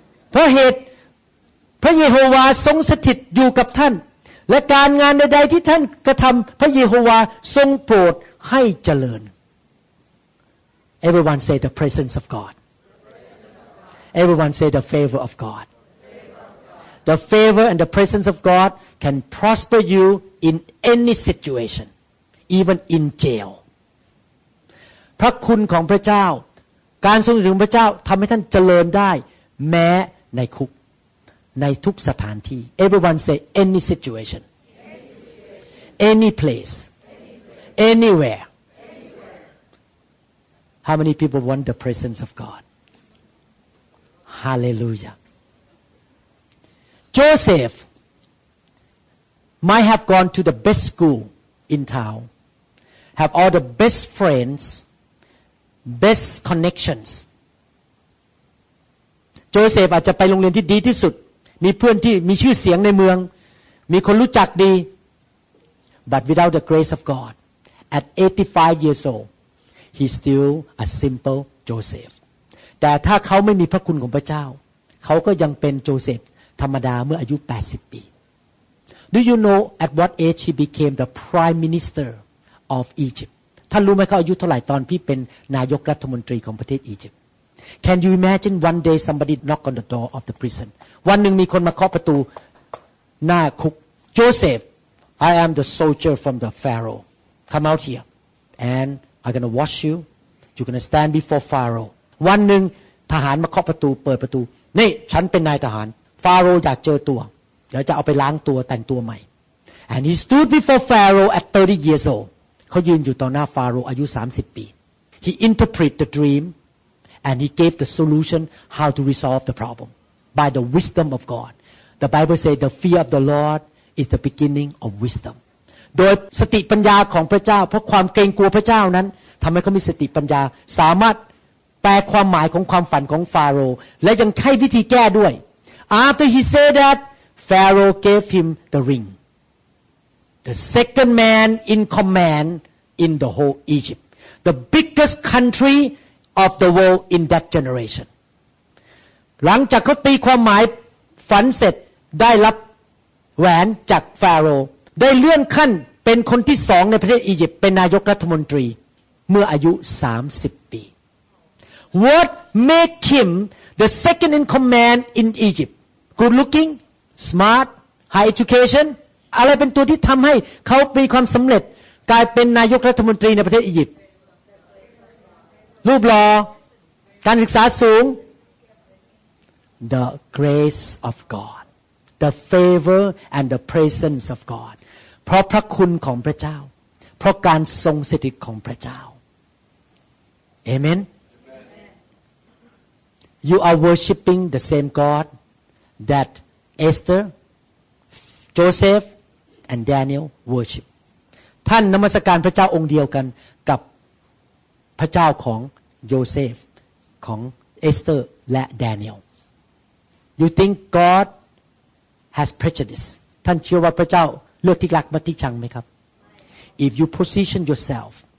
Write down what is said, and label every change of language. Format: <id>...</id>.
<th>เพราะเหตุพระเยโฮวาทรงสถิตอยู่กับท่านและการงานใดๆที่ท่านกระทำพระเยโฮวาทรงโปรดให้เจริญ</th> <en>Everyone say the presence of God. Everyone say the favor of God. The favor and the presence of God can prosper you in any situation, even in jail.</en> <th>พระคุณของพระเจ้าการทรงอยู่ของพระเจ้าทำให้ท่านเจริญได้แม้ในคุกในทุกสถานที่</th> <en>Everyone say any situation, any place, anywhere. How many people want the presence of God? Hallelujah. Joseph might have gone to the best school in town, have all the best friends, best connections.</en> <th>Joseph อาจจะไปโรงเรียนที่ดีที่สุดมีเพื่อนที่มีชื่อเสียงในเมืองมีคนรู้จักดี</th> <en>But without the grace of God, at 85 years old, he's still a simple Joseph.</en> <th>แต่ถ้าเขาไม่มีพระคุณของพระเจ้าเขาก็ยังเป็นโจเซฟธรรมดาเมื่ออายุ80ปี</th> <en>Do you know at what age he became the prime minister of Egypt?</en> <th>ท่านรู้ไหมเขาอายุเท่าไหร่ตอนที่เป็นนายกรัฐมนตรีของประเทศอียิปต์</th> <en>Can you imagine one day somebody knock on the door of the prison?</en> <th>วันหนึ่งมีคนมาเคาะประตูหน้าคุก</th> <en>Joseph, I am the soldier from the Pharaoh. Come out here, and I'm gonna wash you. You're gonna stand before Pharaoh.</en> <th>วันหนึ่งทหารมาเคาะประตูเปิดประตูนี่ฉันเป็นนายทหารฟาโรห์อยากเจอตัวเดี๋ยวจะเอาไปล้างตัวแต่งตัวใหม่</th> <en>And he stood before Pharaoh at 30 years old</en> <th>เขายืนอยู่ต่อหน้าฟาโรห์อายุ30ปี</th> <en>He interpreted the dream and he gave the solution how to resolve the problem by the wisdom of God The Bible says the fear of the Lord is the beginning of wisdom</en> <th>โดยสติปัญญาของพระเจ้าเพราะความเกรงกลัวพระเจ้านั้นทำให้เขามีสติปัญญาสามารถแปลความหมายของความฝันของฟาโรห์และยังให้วิธีแก้ด้วย</th> <en>After he said that, Pharaoh gave him the ring. The second man in command in the whole Egypt. The biggest country of the world in that generation.</en> <th>หลังจากเขาตีความหมายฝันเสร็จได้รับแหวนจากฟาโรห์ได้เลื่อนขั้นเป็นคนที่สองในประเทศอียิปต์เป็นนายกรัฐมนตรีเมื่ออายุ30ปี</th> <en>What make him the second in command in Egypt? Good looking, smart, high education.</en> <th>อะไรเป็นตัวที่ทำให้เขามีความสำเร็จกลายเป็นนายกรัฐมนตรีในประเทศอียิปต์รูปหล่อการศึกษาสูง</th> <en>the grace of God, the favor and the presence of God.</en> <th>เพราะพระคุณของพระเจ้าเพราะการทรงสถิตของพระเจ้า Amen.</th> <en>You are worshiping the same God that Esther, Joseph, and Daniel worship.</en> <th>ท่านนมัสการพระเจ้าองค์เดียวกันกับพระเจ้าของโยเซฟของเอสเตอร์และดาเนียล</th> <en>You think God has prejudice</en> <th>ท่านเชื่อว่าพระเจ้าเลือกที่รักมาที่ชังไหมครับ</th> <en>If you position yourself</en>